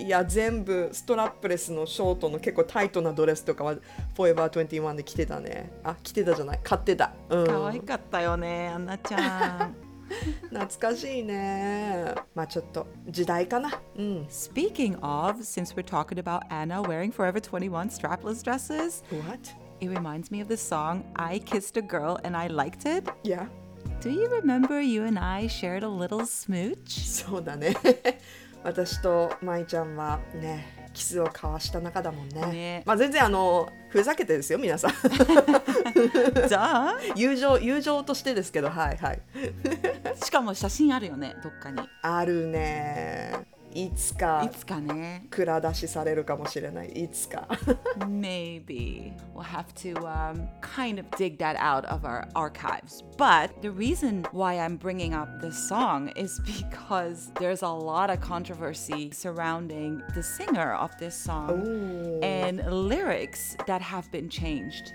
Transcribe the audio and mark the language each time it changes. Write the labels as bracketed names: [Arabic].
[Japanese] いや全部ストラップレスのショートの結構タイトなドレスとかは Forever 21で着てたね。あ、着てたじゃない、買ってた、うん、可愛かったよね、アンナちゃん。懐かしいね。まあちょっと時代かな、うん、 [English] Speaking of, since we're talking about Anna wearing Forever 21 strapless dresses, What? It reminds me of the song I Kissed a Girl and I Liked It. Yeah. Do you remember you and I shared a little smooch? [Japanese] そうだね。私とまいちゃんはね、キスを交わした中だもん ね。まあ全然ふざけてですよ、皆さん。じゃあ友情としてですけど、はいはい。しかも写真あるよね、どっかに。あるね。いつか、いつかね、蔵出しされるかもしれない、いつか。 [English] Maybe. We'll have to、kind of dig that out of our archives. But the reason why I'm bringing up this song is because there's a lot of controversy surrounding the singer of this song、 Ooh. And lyrics that have been changed.